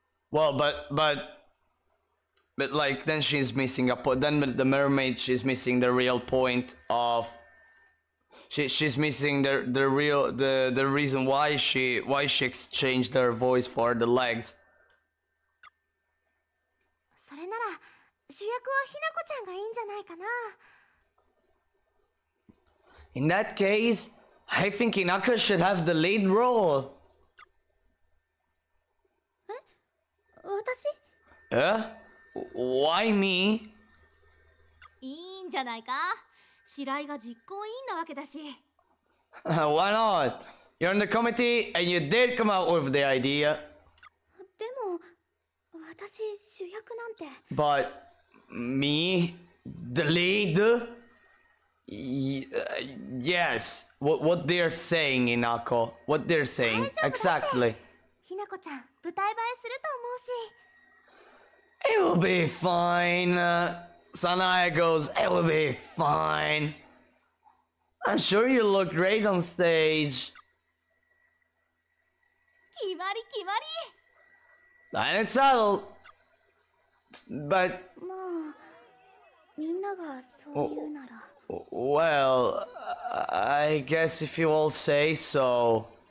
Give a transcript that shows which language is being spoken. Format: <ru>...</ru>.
<en>Well, but like then she's missing a point. Then the mermaid, she's missing the real point of. She's missing the real reason why she exchanged her voice for the legs.</en> <ja>それなら主役はひなこちゃんがいいんじゃないかな。</ja> <en>In that case, I think Hinako should have the lead role. Eh? Why me?</en> <ja>いいんじゃないか。白井が実行委員なわけだし。</ja> <en>Why not? You're in the committee and you did come out with the idea.</en> <ja>でも、私主役なんて。</ja> <en>But me, the lead? Yes, what they're saying, Hinako. What they're saying, exactly.</en> <ja>Hinako-chan, 舞台映えすると思うし。</ja> <en>It will be fine. Sanae goes, it will be fine. I'm sure you look great on stage.</en> <ja>決まり決まり。</ja> <en>Then it's settled. But...</en> <ja>まあ、みんながそういうなら…</ja> <en>Well, I guess if you all say so.</en>